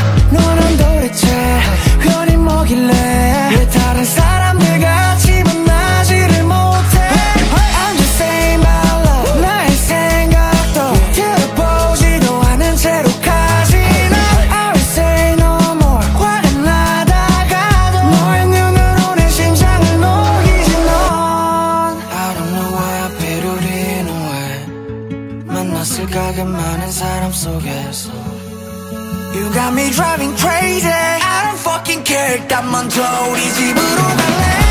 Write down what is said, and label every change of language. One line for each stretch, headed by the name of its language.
Korean: 너란 도대체 괜히 뭐길래 왜 다른 사람들 같이 만나지를 못해.
English: Hey. I'm just saying my love.
Korean: 나의 생각도 들어보지도 않은 채로 가지 나.
English: I will say no more.
Korean: 화가 나다가도 너의 눈으로 내 심장을 녹이지 넌.
English: I don't know why I paid it in a way.
Korean: 만났을까 그 많은 사람 속에서.
English: You got me driving crazy. I don't fucking care.
Korean: 딱 먼저 우리 집으로 갈래.